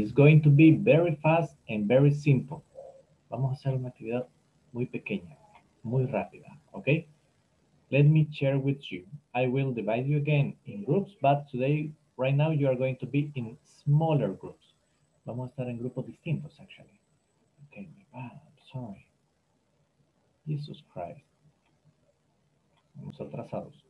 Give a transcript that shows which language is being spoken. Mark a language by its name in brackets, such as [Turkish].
[English] It's going to be very fast and very simple. [Spanish] Vamos a hacer una actividad muy pequeña, muy rápida, okay? [English] Let me share with you. I will divide you again in groups, but today, right now, you are going to be in smaller groups. [Spanish] Vamos a estar en grupos distintos, actually. [English] Okay, I'm sorry. Jesus Christ. [Spanish] Vamos atrasados.